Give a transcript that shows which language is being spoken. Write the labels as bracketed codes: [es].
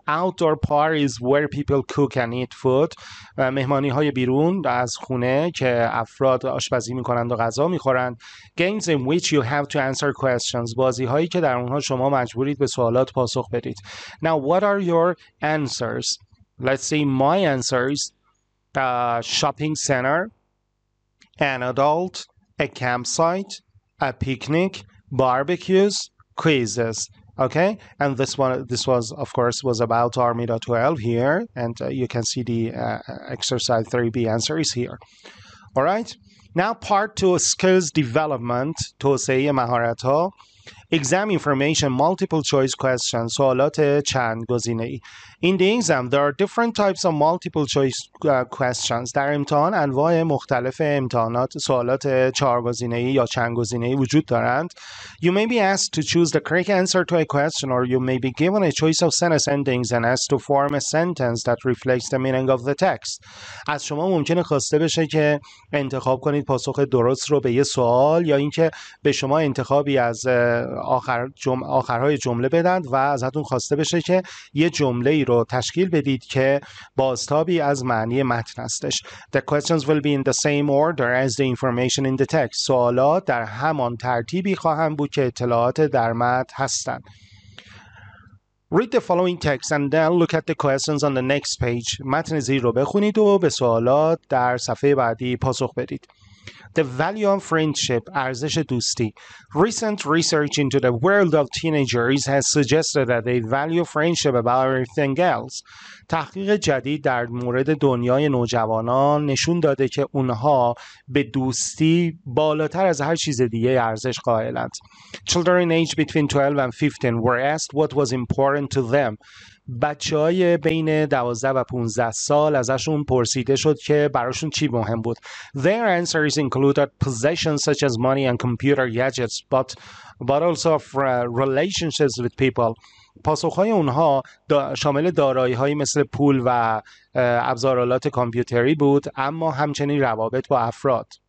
[en] Outdoor parties where people cook and eat food. [fa] مهمانی های بیرون از خونه که افراد آشپزی می کنند و غذا می خورند. [en] Games in which you have to answer questions. [fa] بازی هایی که در اونها شما مجبورید به سوالات پاسخ بدید. [en] Now, what are your answers? Let's see my answers. A shopping center. An adult. A campsite. A picnic. Barbecues. Quizzes, okay, and this was of course was about Armida 12 here, and you can see the exercise 3B answer is here. All right, now part two, skills development. [fa] توسعه مهارت‌ها. [en] Exam information, multiple choice questions. [fa] سوالات چند گزینه‌ای. [en] In the exam, there are different types of multiple choice questions. [fa] در امتحان انواع مختلف امتحانات سوالات چهار گزینه‌ای یا چند گزینه‌ای وجود دارند. [en] You may be asked to choose the correct answer to a question, or you may be given a choice of sentence endings and asked to form a sentence that reflects the meaning of the text. [fa] از شما ممکنه خواسته بشه که انتخاب کنید پاسخ درست رو به یه سوال، یا اینکه به شما انتخابی از آخرهای جمله بدن و ازتون خواسته بشه که یه جمله ای رو تشکیل بدید که بازتابی از معنی متن هستش. [en] The questions will be in the same order as the information in the text. [fa] سوالات در همان ترتیبی خواهم بود که اطلاعات در متن هستن. [en] Read the following text and then look at the questions on the next page. [fa] متن زیر رو بخونید و به سوالات در صفحه بعدی پاسخ بدید. [en] The value of friendship, [fa] ارزش دوستی. [en] Recent research into the world of teenagers has suggested that they value friendship above everything else. [fa] تحقیق جدید در مورد دنیای نوجوانان نشون داده که اونها به دوستی بالاتر از هر چیز دیگه ارزش قائلند. [en] Children in age between 12 and 15 were asked what was important to them. [fa] بچه های بین 12 و 15 سال ازشون پرسیده شد که براشون چی مهم بود. [en] Their answers included possessions such as money and computer gadgets, but also relationships with people. [fa] پاسخهای اونها شامل دارایی های مثل پول و ابزارالات کامپیوتری بود، اما همچنین روابط با افراد.